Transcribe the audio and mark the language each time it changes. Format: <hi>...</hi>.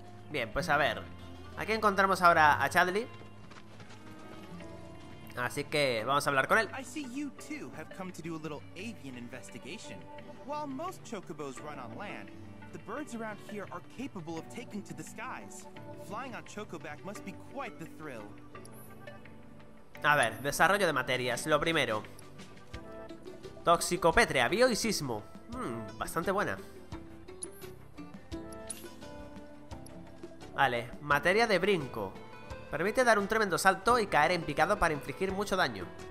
<es>Bien, pues a ver. Aquí encontramos ahora a Chadli. Así que vamos a hablar con él.</es> <en>I see you too have come to do a little avian investigation. While most chocobos run on land, the birds around here are capable of taking to the skies. Flying on chocoback must be quite the thrill.</en> <es>A ver, desarrollo de materias, lo primero. Tóxico pétrea, bio y sismo. Bastante buena. Vale, materia de brinco. Permite dar un tremendo salto y caer en picado para infligir mucho daño.</es>